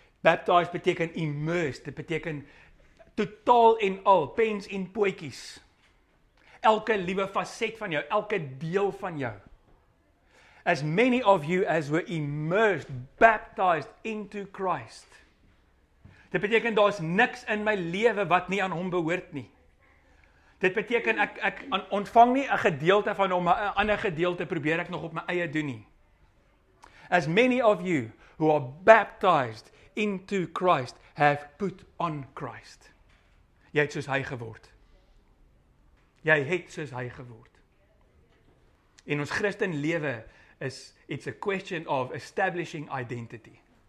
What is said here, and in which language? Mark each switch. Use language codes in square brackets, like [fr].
[af] Baptized beteken immersed. Dit beteken totaal en al, pens en pootjies. Elke liewe facet van jou, elke deel van jou. [en] as many of you as were immersed, baptized into Christ. [af] Dit beteken daar's niks in my lewe wat nie aan hom behoort nie. Dit beteken ek ontvang nie 'n gedeelte van hom, 'n ander gedeelte probeer ek nog op my eie doen nie. [en] As many of you who are baptized into Christ have put on Christ. [af] Jy het soos hy geword. Jy het soos hy geword. En ons Christen lewe is, [en] it's a question of establishing identity.